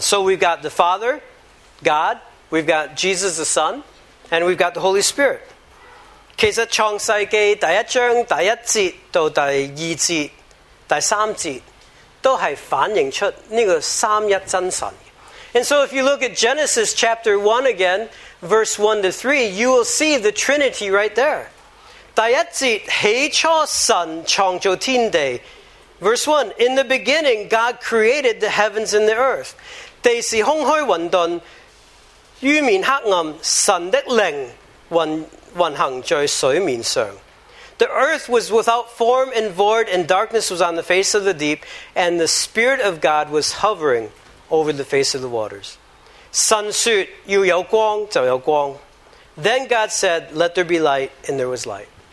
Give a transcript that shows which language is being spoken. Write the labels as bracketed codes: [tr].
[en] So we've got the Father, God, we've got Jesus the Son, and we've got the Holy Spirit. [zh] 其实创世纪第一章第一节到第二节、第三节，都是反映出这个三一真神。 [en] And so if you look at Genesis chapter 1 again, verse 1 to 3, you will see the Trinity right there. [zh] 第一节，起初神创造天地。 [en] Verse 1, in the beginning, God created the heavens and the earth. [zh] 地是空虚混沌，渊面黑暗，神的灵混运行在水面上。 [en] The earth was without form and void, and darkness was on the face of the deep, and the Spirit of God was hovering over the face of the waters. [zh] 神说要有光就有光。 [en] Then God said, let there be light, and there was light.